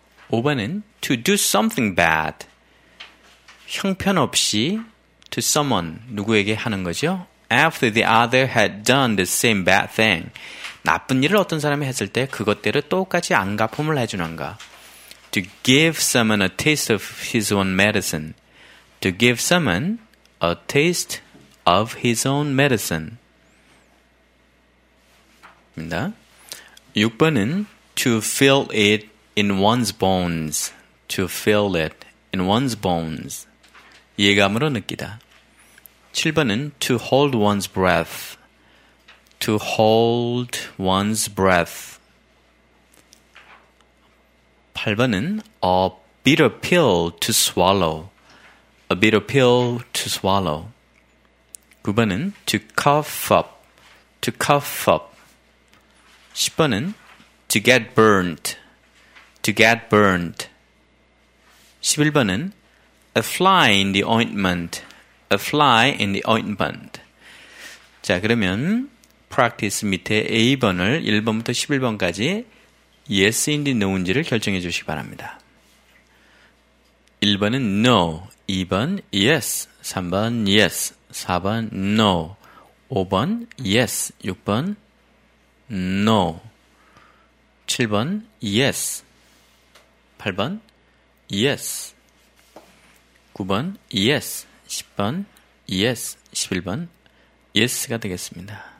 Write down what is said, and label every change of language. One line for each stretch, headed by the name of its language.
Korean: 5번은
English: to do something bad.
Korean: 형편없이
English: to someone,
Korean: 누구에게 하는 거죠?
English: After the other had done the same bad thing.
Korean: 나쁜 일을 어떤 사람이 했을 때 그것대로 똑같이 안갚음을 해주는가?
English: To give someone a taste of his own medicine. To give someone a taste of his own medicine.
Korean: 입니다. 6번은
English: to feel it in one's bones. To feel it in one's bones.
Korean: 예감으로 느끼다. 7번은
English: to hold one's breath. To hold one's breath.
Korean: 8번은
English: a bitter pill to swallow. A bitter pill to swallow.
Korean: 9번은
English: to cough up. To cough up.
Korean: 10번은
English: to get burnt. To get burnt.
Korean: 11번은
English: a fly in the ointment. A fly in the ointment.
Korean: 자, 그러면 practice 밑에 A번을 1번부터 11번까지 yes인지 no인지를 결정해 주시기 바랍니다. 1번은 no, 2번 yes, 3번 yes, 4번 no, 5번 yes, 6번 no, 7번 yes, 8번 yes, 9번 yes, 10번 yes, 11번 yes가 되겠습니다.